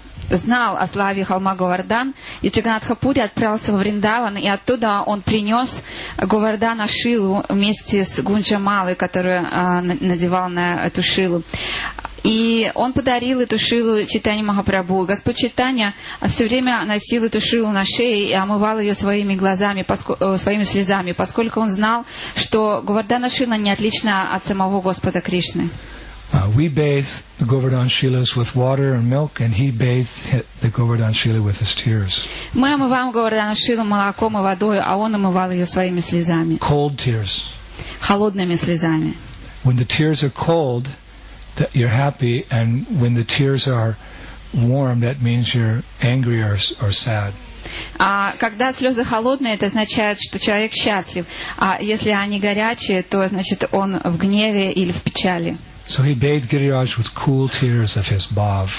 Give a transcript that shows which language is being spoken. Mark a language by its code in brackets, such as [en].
[ru] Знал о славе холма Говардхан, и Джагнатха Пури отправился во Вриндаван, и оттуда он принес Говардхана Шилу вместе с Гунджа Малой, которую надевал на эту Шилу. И он подарил эту Шилу Чайтанье Махапрабху. Господь Чайтанья все время носил эту Шилу на шее и омывал ее своими глазами, своими слезами, поскольку он знал, что Говардхана Шила не отлична от самого Господа Кришны. [en] We bathe the Govardhan Shilas with water and milk, and he bathed the Govardhan Shila with his tears. [ru] Мы омываем Говардхана Шилу молоком и водой, а он омывал ее своими слезами. [en] Cold tears. [ru] Холодными слезами. [en] When the tears are cold, that you're happy, and when the tears are warm, that means you're angry or sad. [ru] Когда слезы холодные, это означает, что человек счастлив. А если они горячие, то значит он в гневе или в печали. [en] So he bathed Giriraj with cool tears of his bhav